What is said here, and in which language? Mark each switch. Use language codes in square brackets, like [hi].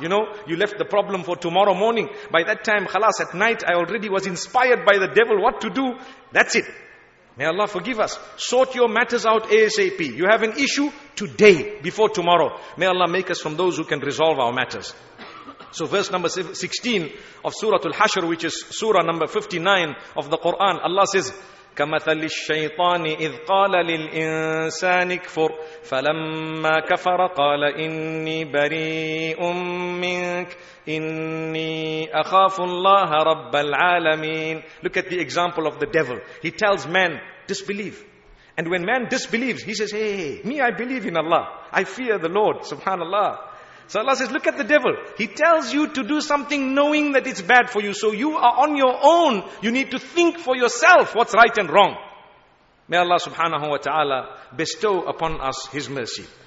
[en] You know, you left the problem for tomorrow morning. By that time, khalas, at night, I already was inspired by the devil what to do. That's it. May Allah forgive us. Sort your matters out ASAP. You have an issue today before tomorrow. May Allah make us from those who can resolve our matters. So verse number 16 of Surah Al-Hashr, which is Surah number 59 of the Quran, Allah says, [ar] كَمَثَلِ الشَّيْطَانِ إِذْ قَالَ لِلْإِنسَانِ كْفُرْ فَلَمَّا كَفَرَ قَالَ إِنِّي بَرِيءٌ مِّنْكَ إِنِّي أَخَافُ اللَّهَ رَبَّ الْعَالَمِينَ. [en] Look at the example of the devil. He tells man, disbelieve. And when man disbelieves, he says, hey, me, I believe in Allah. I fear the Lord, subhanallah. So Allah says, look at the devil. He tells you to do something knowing that it's bad for you. So you are on your own. You need to think for yourself what's right and wrong. May Allah subhanahu wa ta'ala bestow upon us His mercy.